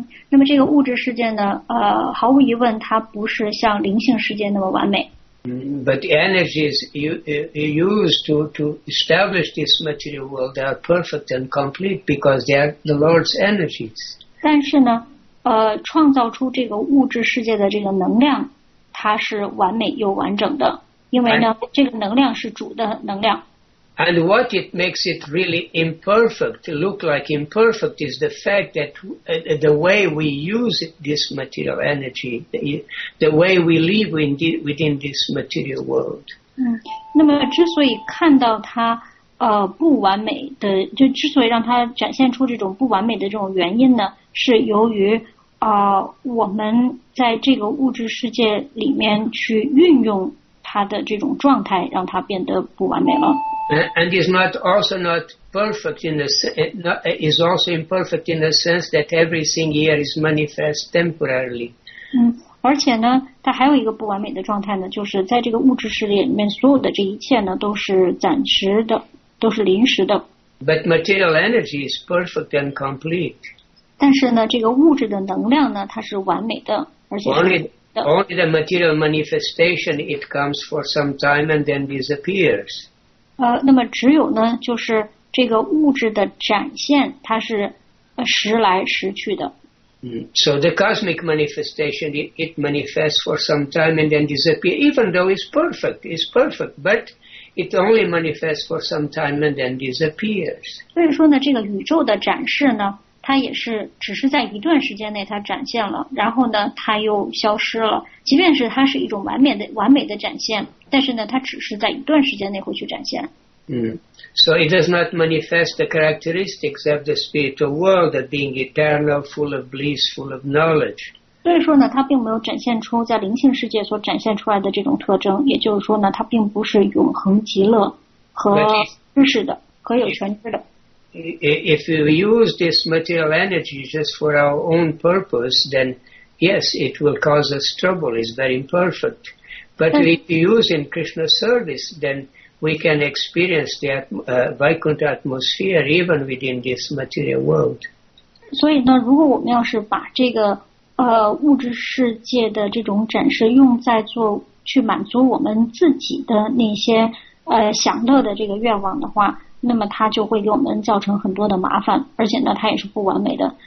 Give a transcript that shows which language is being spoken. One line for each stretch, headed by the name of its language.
Chinese: 那么这个物质世界呢，毫无疑问它不是像灵性世界那么完美。
English: But the energies you use to establish this material world are perfect and complete because they are the Lord's energies.
Chinese: 但是呢，创造出这个物质世界的这个能量，它是完美又完整的，因为呢，这个能量是主的能量。
English: And what it makes it really imperfect, look like imperfect, is the fact that the way we use this material energy, the way we live within this material world.
Chinese: 那么之所以看到它不完美的，就之所以让它展现出这种不完美的这种原因呢，是由于我们在这个物质世界里面去运用它的这种状态，让它变得不完美了。
English: And is not perfect in the is also imperfect in the sense that everything here is manifest temporarily.
Chinese: 而且呢，它还有一个不完美的状态呢，就是在这个物质世界里面，所有的这一切呢，都是暂时的，都是临时的。
English: But material energy is perfect and complete.
Chinese: 但是呢，这个物质的能量呢，它是完美的，而且是的。
English: Only the material manifestation it comes for some time and then disappears.
Chinese: 那么只有呢，就是这个物质的展现，它是时来时去的。
English: So the cosmic manifestation it manifests for some time and then disappears, even though it's perfect, but it only manifests for some time and then disappears.
Chinese: 所以说呢，这个宇宙的展示呢，它也是只是在一段时间内它展现了，然后呢，它又消失了。即便是它是一种完美的展现。但是呢，它只是在一段时间内会去展现。
English: So it does not manifest the characteristics of the spiritual world of being eternal, full of bliss, full of knowledge.
Chinese: 所以说呢，它并没有展现出在灵性世界所展现出来的这种特征，也就是说呢，它并不是永恒极乐和知识的。可有全知的。
English: If we use this material energy just for our own purpose, then yes, it will cause us trouble. It's very imperfect. But if we use in Krishna service, then we can experience the Vaikuntha atmosphere even within this material world.
Chinese: 所以呢，如果我们要是把这个物质世界的这种展示用在做去满足我们自己的那些享乐的这个愿望的话，那么它就会给我们造成很多的麻烦，而且呢，它也是不完美的。